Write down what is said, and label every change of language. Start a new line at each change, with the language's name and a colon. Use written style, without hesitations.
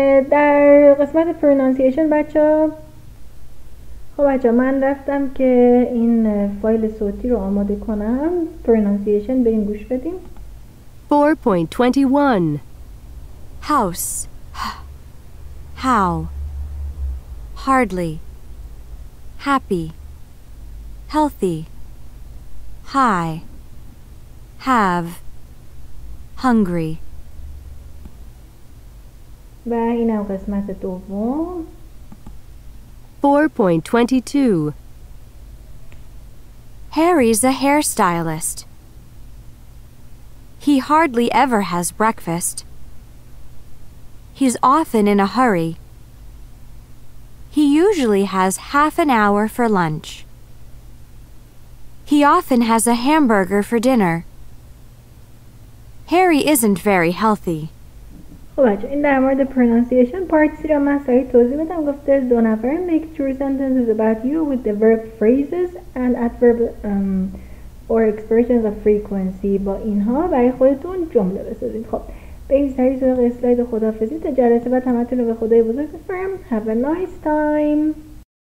Persian: در قسمت پرونانسیشن بچه خب بچه من رفتم که این فایل صوتی رو آماده کنم. پرنانسیشن بریم گوش بدیم.
English: 4.21 House How Hardly Happy Healthy High Have Hungry.
Persian: و این هم قسمت دوم.
English: 4.22 Harry's a hairstylist. He hardly ever has breakfast. He's often in a hurry. He usually has half an hour for lunch. He often has a hamburger for dinner. Harry isn't very healthy.
Persian: خب بچه این در مورد پرنانسیشن پارت سی را من سریع توضیح بدم. گفته دو نفر
English: make true sentences about you with the verb phrases and adverb or expressions of frequency.
Persian: با اینها برای خودتون جمله بسازید. خب بریم سریع سراغ اسلاید خدافزی. تا جلسه بعد همتون رو به خدای بزرگ بسپارم.
English: Have a nice time.